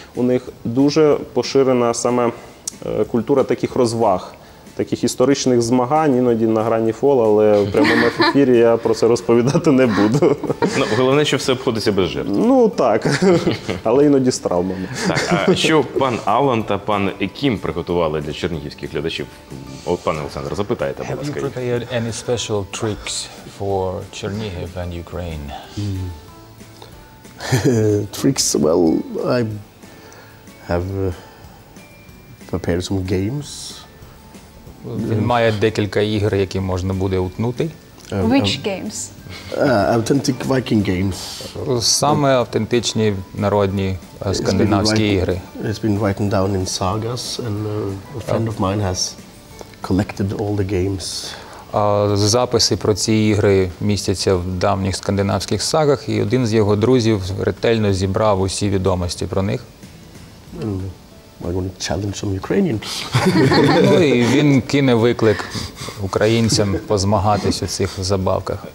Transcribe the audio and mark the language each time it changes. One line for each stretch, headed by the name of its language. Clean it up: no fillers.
Ukrainian: У них дуже поширена саме культура таких розваг, таких історичних змагань, іноді на грані фола, але в прямому ефірі я про це розповідати не буду. Ну, головне, що все обходиться без жертв. Ну так, але іноді з травмами. Так, а що пан Алан та пан Еким приготували для чернігівських глядачів? От, пане Олександре, запитайте, будь ласка.
English: Have you prepared any special tricks for Chernihiv and Ukraine? Tricks? Well, I have prepared some games.
Ukrainian: Він має декілька ігор, які можна буде утнути.
English: Which games? Authentic Viking games.
Ukrainian: Саме автентичні народні скандинавські ігри.
English: It's been written down in sagas, and a friend of mine has collected all the games.
Ukrainian: Записи про ці ігри містяться в давніх скандинавських сагах, і один з його друзів ретельно зібрав усі відомості про них.
English: I want to challenge some Ukrainian.
Ukrainian: Ну, і він кине виклик українцям позмагатися в цих забавках.